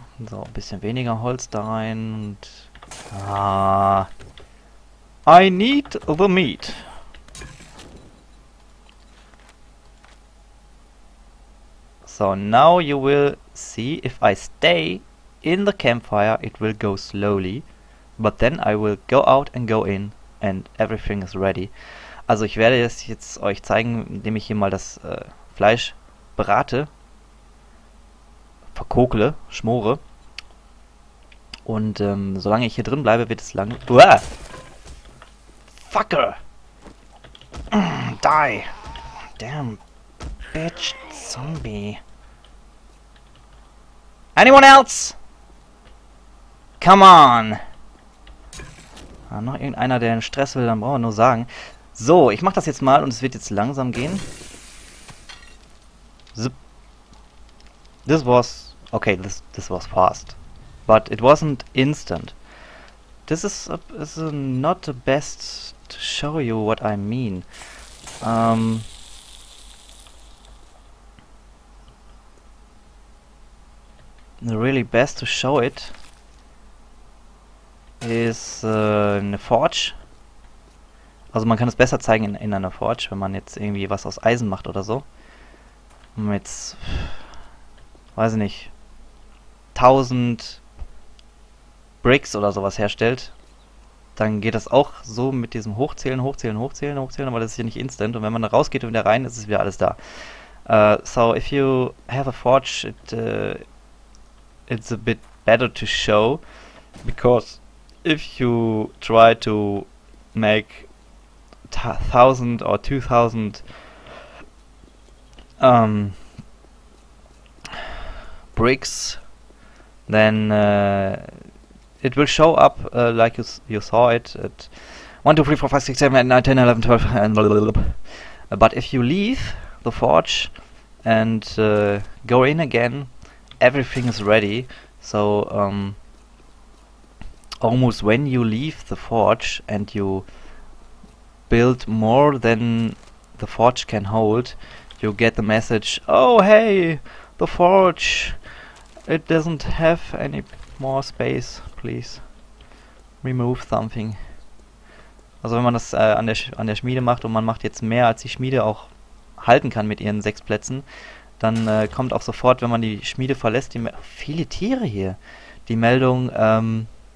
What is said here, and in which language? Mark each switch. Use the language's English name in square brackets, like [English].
[German] So, ein bisschen weniger Holz da rein und [English] I need the meat. So now you will see, if I stay in the campfire, it will go slowly. But then I will go out and go in and everything is ready. [German] Also ich werde es jetzt euch zeigen, indem ich hier mal das Fleisch brate, verkokle, schmore. Und solange ich hier drin bleibe, wird es lang... [English] Uah! Fucker! Die! Damn bitch zombie! Anyone else? Come on! [German] Ah, noch irgendeiner, der einen Stress will, dann brauchen wir nur sagen. So, ich mach das jetzt mal und es wird jetzt langsam gehen. [English] Zip. This was, okay, this was fast, but it wasn't instant. This is not the best to show you what I mean. The really best to show it is in a forge. [German] Also man kann es besser zeigen in einer Forge, wenn man jetzt irgendwie was aus Eisen macht oder so. Mit, weiß ich nicht, 1000 Bricks oder sowas herstellt, dann geht das auch so mit diesem Hochzählen, Hochzählen, Hochzählen, Hochzählen, aber das ist ja nicht instant. Und wenn man da rausgeht und wieder rein, ist es wieder alles da. [English] So, if you have a forge, it's a bit better to show, because if you try to make 1000 or 2000 bricks, then it will show up like you saw it at 1 2 3 4 5 6 7 8 9 10 11 12, but if you leave the forge and go in again, everything is ready. So almost when you leave the forge and you build more than the forge can hold, you get the message, oh hey, the forge, it doesn't have any more space, please remove something. [German] Also wenn man das an der Schmiede macht und man macht jetzt mehr als die Schmiede auch halten kann mit ihren 6 Plätzen, dann kommt auch sofort, wenn man die Schmiede verlässt, die viele Tiere hier, die Meldung,